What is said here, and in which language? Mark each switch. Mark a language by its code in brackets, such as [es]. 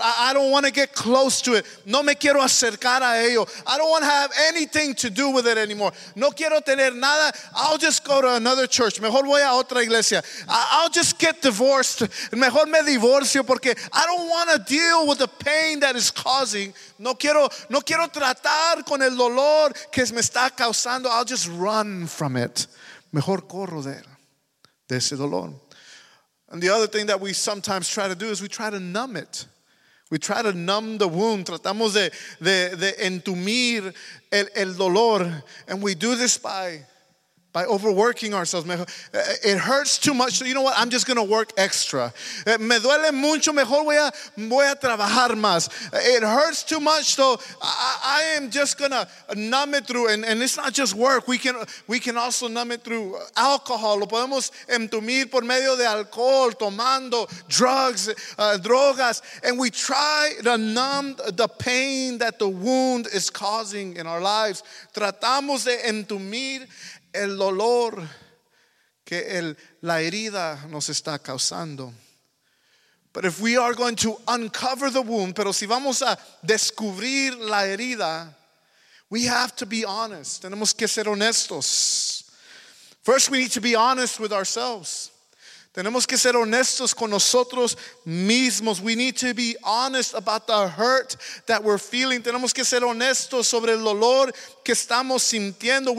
[en] I don't want to get close to it. [es] No me quiero acercar a ello. [en] I don't want to have anything to do with it anymore. [es] No quiero tener nada. [en] I'll just go to another church. [es] Mejor voy a otra iglesia. I'll just get divorced. Mejor me divorcio porque [en] I don't want to deal with the pain that is causing. [es] No quiero tratar con el dolor que me está causando. [en] I'll just run from it. [es] Mejor corro de ese dolor. [en] And the other thing that we sometimes try to do is we try to numb it. We try to numb the wound. [es] Tratamos de entumir el dolor. [en] And we do this by overworking ourselves. It hurts too much. So you know what? I'm just going to work extra. [es] Me duele mucho. Mejor voy a trabajar más. [en] It hurts too much. So I am just going to numb it through. And it's not just work. We can also numb it through alcohol. [es] Lo podemos entumir por medio de alcohol, tomando drugs, drogas. [en] And we try to numb the pain that the wound is causing in our lives. [es] Tratamos de entumir el dolor que la herida nos está causando. [en] But if we are going to uncover the wound, [es] pero si vamos a descubrir la herida, [en] we have to be honest. [es] Tenemos que ser honestos. [en] First, we need to be honest with ourselves. [es] Tenemos que ser honestos con nosotros mismos. [en] We need to be honest about the hurt that we're feeling. [es] Tenemos que ser honestos sobre el dolor que estamos sintiendo.